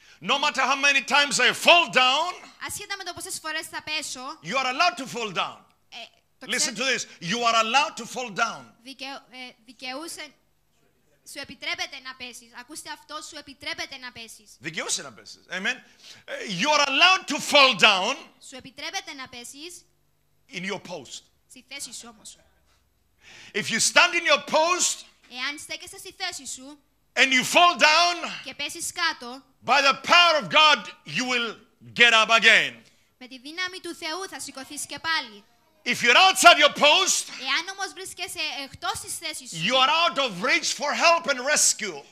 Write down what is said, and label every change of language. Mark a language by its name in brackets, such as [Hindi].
[English] No matter how many times I fall down, [Greek] ασχέτα με το πόσες φορές θα πέσω, [English] you are allowed to fall down. Listen to this. You are allowed to fall down. [Greek] Σου επιτρέπεται να πέσεις. Ακούστε αυτό, σου επιτρέπεται να πέσεις. Δικαιούσαι να πέσεις. [English] Amen. You are allowed to fall down. [Greek] Σου επιτρέπεται να πέσεις. [English] In your post. [Greek] Στη θέση σου όμως. [English] If you stand in your post, [Greek] εάν στέκεσαι στη θέση σου, [English] and you fall down, [Greek] και πέσεις κάτω, [English] by the power of God, you will get up again. [Greek] Με τη δύναμη του Θεού θα σηκωθείς και πάλι. [English] If you're outside your post, [Greek] εάν όμως βρίσκεσαι εκτός της θέσης σου, [English] you are out of reach for help and rescue.